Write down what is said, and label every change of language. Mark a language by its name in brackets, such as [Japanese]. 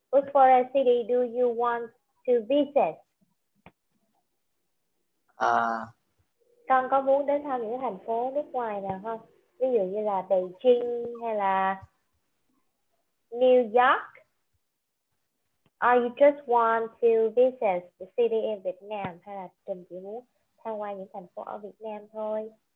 [English] Which foreign city do you want to visit? [Vietnamese] Con có muốn đến thăm những thành phố nước ngoài nào không? Ví dụ như là Beijing hay là New York? [English] Or you just want to visit the city in Vietnam? [Vietnamese] Hay là Trình chỉ muốn tham quan những thành phố ở Việt Nam thôi?